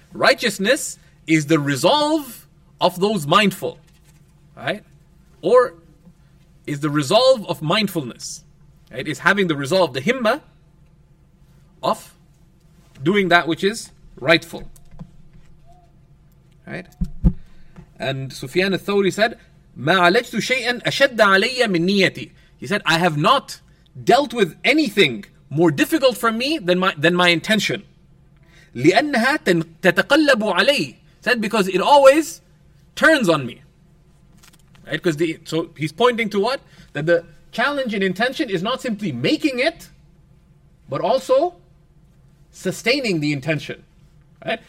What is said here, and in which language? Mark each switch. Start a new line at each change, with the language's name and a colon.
English: Righteousness is the resolve of those mindful. Right? Or is the resolve of mindfulness. Right? It is having the resolve, the himma, of doing that which is rightful. Right? And Sufyan al-Thawri said,
Arabic: مَا عَلَجْتُ شَيْئًا أَشَدَّ عَلَيَّ مِن نِيَّتِي.
English: He said, I have not dealt with anything more difficult for me than my intention.
Arabic: لِأَنَّهَا تَتَقَلَّبُ عَلَيْهِ.
English: Said, because it always turns on me. Right? So he's pointing to what? That the challenge in intention is not simply making it, but also sustaining the intention. Right?